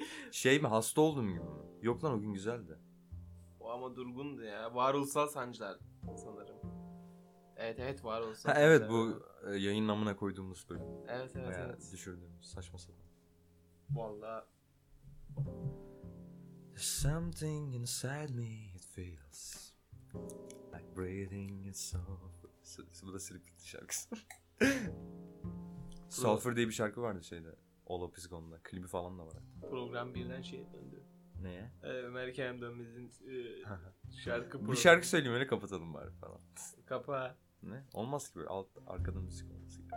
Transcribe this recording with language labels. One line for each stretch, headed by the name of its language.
Turkish: Şey mi, hasta oldum gibi mi? Yok lan, o gün güzeldi. O ama durgundu ya. Varoluşsal sancılar sanırım. Evet evet, varoluşsal. Ha evet, bu yayının amına koyduğumuz bölüm. Evet evet. Veya evet. Düşürdüğümüz saçma sapan. Vallahi.
English: Something inside me it feels like breathing itself.
Turkish: Bu da Silikli şarkısı. Sulfur diye bir şarkı vardı şeyde. All of His Gone'da. Klibi falan da var. Program birden şeye döndü. Neye? Ömer Kerem Dönmez'in şarkı programı. Bir şarkı söyleyeyim, öyle kapatalım bari falan. Kapa. Ne? Olmaz ki böyle. Alt, arkada müzik olması gibi.